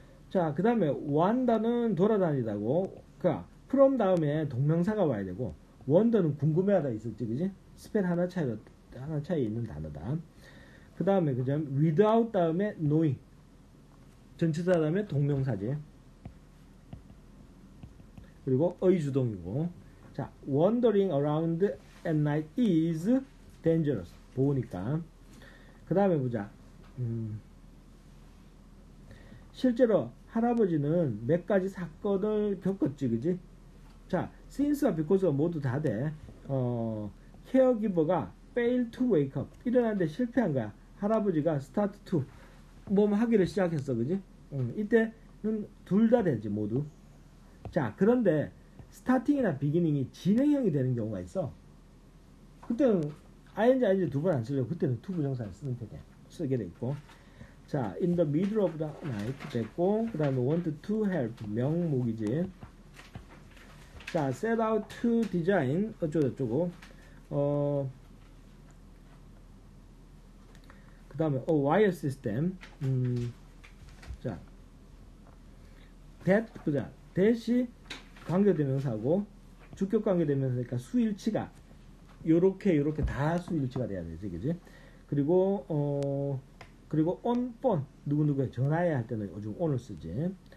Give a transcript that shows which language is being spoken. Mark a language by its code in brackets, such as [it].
[ko] 자, 그 다음에 wander는 돌아다니다고. 그러니까 from 다음에 동명사가 와야 되고, wonder는 궁금해하다 있었지, 그지? 스펠 하나 차이 있는 단어다. 그 다음에 그냥 without 다음에 knowing, 전치사 다음에 동명사지. 그리고 의주동이고. [en] 자, wandering around at night is dangerous. [ko] 보니까. 그 다음에 보자. 실제로 할아버지는 몇 가지 사건을 겪었지, 그지? 자, since와 because가 모두 다 돼. caregiver가 [en] fail to wake up, [ko] 일어나는데 실패한 거야. 할아버지가 start to 몸 하기를 시작했어, 그지? 이때는 둘다 되지, 모두. 자, 그런데 스타팅이나 비기닝이 진행형이 되는 경우가 있어. 그때는 ing 두 번 안 쓰려고 그때는 to 부정사를 쓰는 편이야. 쓰게 돼 있고. 자, [en] in the middle of the night [ko] 됐고, 그 다음에 want to help 명목이지. 자, [en] set out to design [ko] 어쩌고저쩌고. 그 다음에 a wire system. 자, that 보자. that이 관계대명사고 주격 관계대명사니까 수일치가 요렇게 요렇게 다 수일치가 돼야 되지, 그지? 그리고 그리고 on phone 누구누구에 전화해야 할 때는 요즘 on을 쓰지.